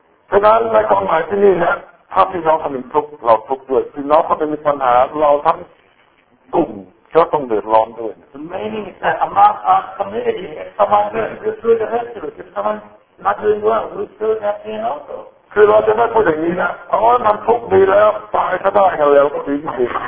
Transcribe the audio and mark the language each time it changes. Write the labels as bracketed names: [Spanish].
[Thai] ฉะนั้นในความหมายที่นี่นะถ้าพี่น้องทำถูกเราทุกข์ด้วยพี่น้องก็เป็นปัญหาเราทั้งกลุ่มก็ต้องเดือดร้อนด้วย [English] The meaning is that among our community, if someone hurt, we should have to. If someone not doing well, we should have pain also. [Thai] คือเราจะไม่พูดอย่างนี้นะเพราะมันทุกข์ดีแล้วตายก็ได้กันแล้วก็ดีมาก